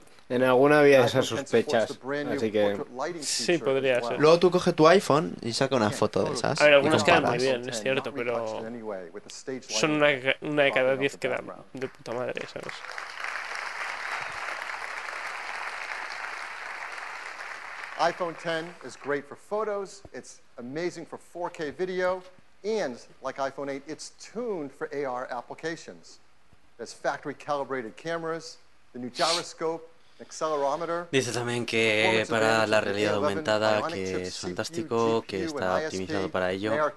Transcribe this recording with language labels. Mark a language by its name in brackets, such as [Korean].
[Spanish] En alguna había esas sospechas, así que... Sí, podría ser. Luego tú coges tu iPhone y saca una foto de esas. A ver, algunas quedan muy bien, es cierto, pero... Son una de cada 10 que dan de puta madre, ¿sabes? [English] iPhone 10 is great for photos, it's amazing for 4K video, and like iPhone 8, it's tuned for AR applications. It has factory calibrated cameras, the new gyroscope, accelerometer. [Spanish] Dice también que para la realidad aumentada que es fantástico, que está optimizado para ello.